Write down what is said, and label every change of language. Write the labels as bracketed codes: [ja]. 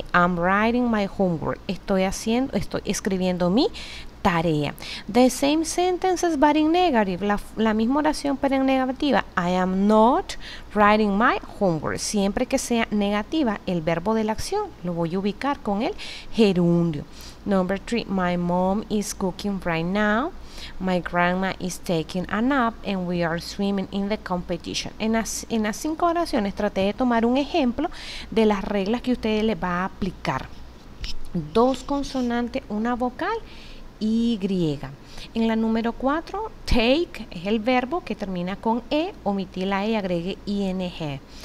[en] I'm writing my homework. [es] Estoy escribiendo mi tarea. [en] The same sentences but in negative. [es] La misma oración pero en negativa. [en] I am not writing my homework. [es] Siempre que sea negativa, el verbo de la acción lo voy a ubicar con el gerundio. [en] Number 3. My mom is cooking right now. My grandma is taking a nap and we are swimming in the competition. [es] En las 5 oraciones traté de tomar un ejemplo de las reglas que usted le va a aplicar. 2 consonantes, una vocal y. En la número 4, take es el verbo que termina con e, omití la e y agregué ing.